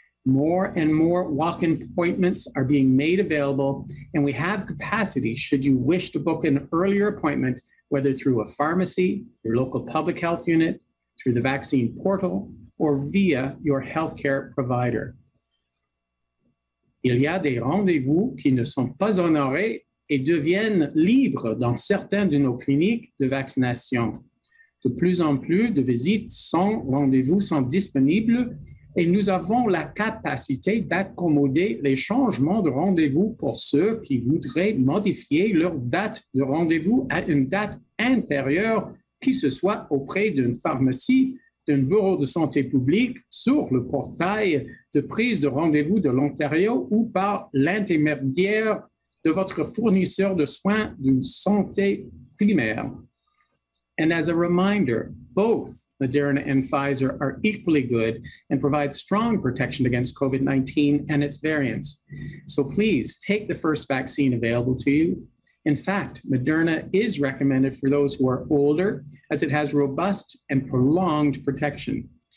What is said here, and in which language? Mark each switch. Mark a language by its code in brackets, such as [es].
[en] More and more walk-in appointments are being made available, and we have capacity should you wish to book an earlier appointment, whether through a pharmacy, your local public health unit, through the vaccine portal, or via your healthcare provider. [fr] Il y a des rendez-vous qui ne sont pas honorés et deviennent libres dans certaines de nos cliniques de vaccination. De plus en plus de visites sans rendez-vous sont disponibles et nous avons la capacité d'accommoder les changements de rendez-vous pour ceux qui voudraient modifier leur date de rendez-vous à une date antérieure, que ce soit auprès d'une pharmacie, d'un bureau de santé publique, sur le portail de prise de rendez-vous de l'Ontario ou par l'intermédiaire de votre fournisseur de soins d'une santé primaire. [en] And as a reminder, both Moderna and Pfizer are equally good and provide strong protection against COVID-19 and its variants. So please take the first vaccine available to you. In fact, Moderna is recommended for those who are older as it has robust and prolonged protection.